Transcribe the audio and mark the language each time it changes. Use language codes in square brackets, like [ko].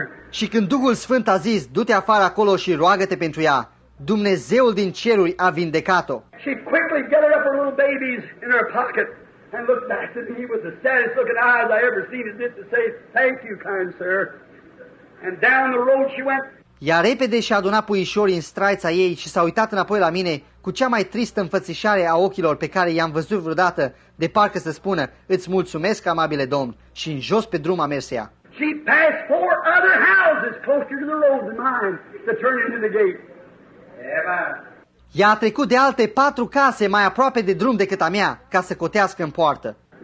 [ro] Și când Duhul Sfânt a zis, du-te afară acolo și roagă-te pentru ea, Dumnezeul din ceruri a vindecat-o. [en] She quickly gathered up her little babies in her pocket and looked back at me with the saddest looking eyes I ever seen as if to say, thank you, kind sir. And down the road she went. [ro] Ea repede și-a adunat puișorii în straița ei și s-a uitat înapoi la mine cu cea mai tristă înfățișare a ochilor pe care i-am văzut vreodată, de parcă să spună, îți mulțumesc, amabile domn, și în jos pe drum a mers ea. [en] She passed four other houses closer to the road than mine to turn into the gate. [ro] Ea a trecut de alte patru case mai aproape de drum decât a mea, ca să cotească în poartă.